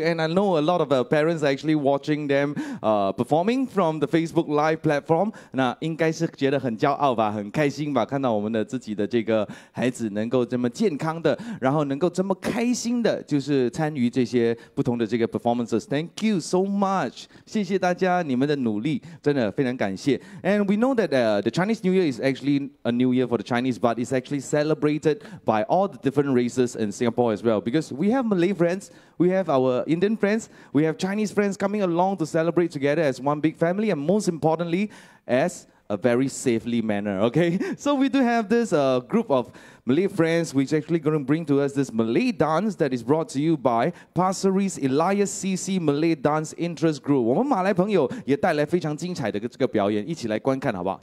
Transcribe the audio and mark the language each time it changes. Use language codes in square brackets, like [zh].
[en] And I know a lot of parents are actually watching them performing from the Facebook Live platform. [zh] 那应该是觉得很骄傲吧，很开心吧，看到我们的自己的这个孩子能够这么健康的，然后能够这么开心的，就是参与这些不同的这个 performances. [en] Thank you so much. [zh] 谢谢大家你们的努力，真的非常感谢。 [en] And we know that the Chinese New Year is actually a new year for the Chinese, but it's actually celebrated by all the different races in Singapore as well, because we have Malay friends, we have our Indian friends, we have Chinese friends coming along to celebrate together as one big family, and most importantly, as a very safely manner. Okay, so we do have this group of Malay friends, which is actually going to bring to us this Malay dance that is brought to you by Pasir Ris Elias CC Malay Dance Interest Group. [zh] 我们马来朋友也带来非常精彩的这个表演，一起来观看好不好？